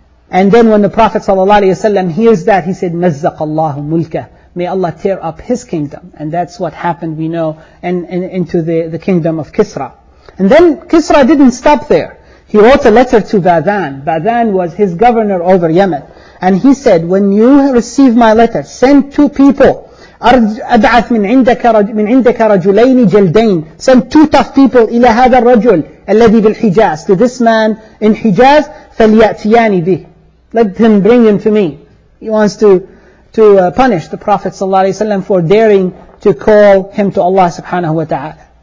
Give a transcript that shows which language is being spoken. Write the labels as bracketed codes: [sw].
[en] And then when the Prophet sallallahu alaihi wasallam hears that, he said, [ar] "Mazzaq Allahu mulka," [en] may Allah tear up his kingdom. And that's what happened, we know, into the kingdom of Kisra. And then Kisra didn't stop there. He wrote a letter to Badhan. Badhan was his governor over Yemen. And he said, "When you receive my letter, send two people. [ar] أبعث من عندك رجلين جلدين. [en] Send two tough people [ar] إلى هذا الرجل الذي بالحجاز, [en] to this man in Hijaz. [ar] فليأتياني به. [en] Let him bring him to me." He wants to punish the Prophet sallallahu alaihi wasallam for daring to call him to Allah subhanahu wa ta'ala.